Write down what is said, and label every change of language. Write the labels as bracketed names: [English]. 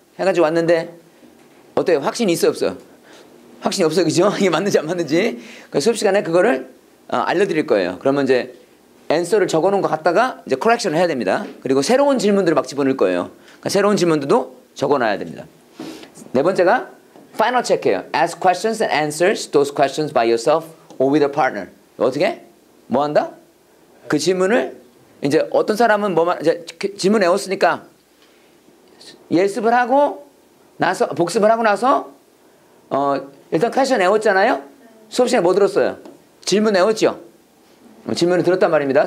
[Korean] 해가지고 왔는데 어때요? 확신이 있어요? 없어요? 확신이 없어요. 그죠? 이게 맞는지 안 맞는지. 그 수업 시간에 그거를 알려드릴 거예요. 그러면 이제 answer를 적어놓은 것 같다가 이제 correction을 해야 됩니다. 그리고 새로운 질문들을 막 집어넣을 거예요. 그러니까 새로운 질문들도 적어놔야 됩니다. 네 번째가 final check예요. [English] Ask questions and answers those questions by yourself or with a partner. [Korean] 어떻게? 뭐 한다? 그 질문을 이제 어떤 사람은 이제 질문 외웠으니까 예습을 하고 나서 복습을 하고 나서 일단 퀘션 외웠잖아요. 수업 시간에 뭐 들었어요? 질문 외웠죠. 질문을 들었단 말입니다.